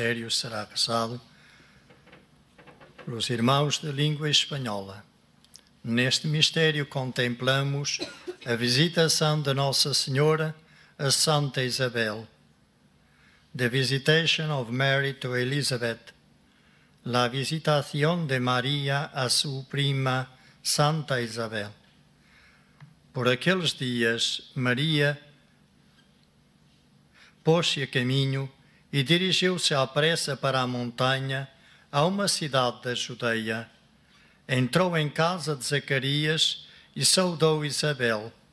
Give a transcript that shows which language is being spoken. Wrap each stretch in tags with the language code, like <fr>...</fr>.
<pt>Será rezado pelos irmãos da língua espanhola. Neste mistério contemplamos a visitação de Nossa Senhora a Santa Isabel.</pt> <en>The visitation of Mary to Elizabeth.</en> <es>La visitación de María a su prima Santa Isabel.</es> <pt>Por aqueles dias, Maria pôs-se a caminho e dirigiu-se à pressa para a montanha, a uma cidade da Judeia. Entrou em casa de Zacarias e saudou Isabel.</pt>